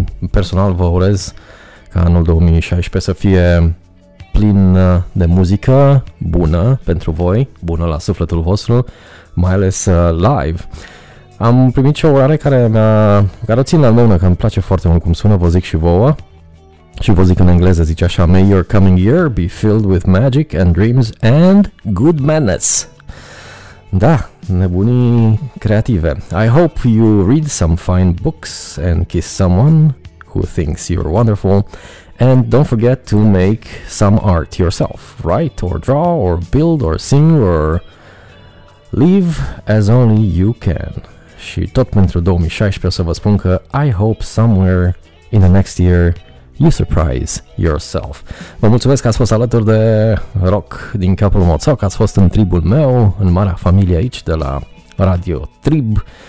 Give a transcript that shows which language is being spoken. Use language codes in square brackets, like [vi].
[ro] Personal vă urez ca anul 2016 să fie plin de muzică bună pentru voi, bună la sufletul vostru, mai ales live. Am primit și o urare care o țin la mână, că îmi place foarte mult cum sună, vă zic și vouă. Și vă zic în engleză, zice așa: [en] May your coming year be filled with magic and dreams and good manners. [ro] Da, nebunii creative. [en] I hope you read some fine books and kiss someone who thinks you're wonderful. And don't forget to make some art yourself. Write or draw or build or sing or live as only you can. [ro] Și tot pentru 2016 o să vă spun că [en] I hope somewhere in the next year you surprise yourself. [ro] Vă mulțumesc că ați fost alături de Rock din capul moțoc, ați fost în tribul meu, în marea familie aici de la Radio Trib.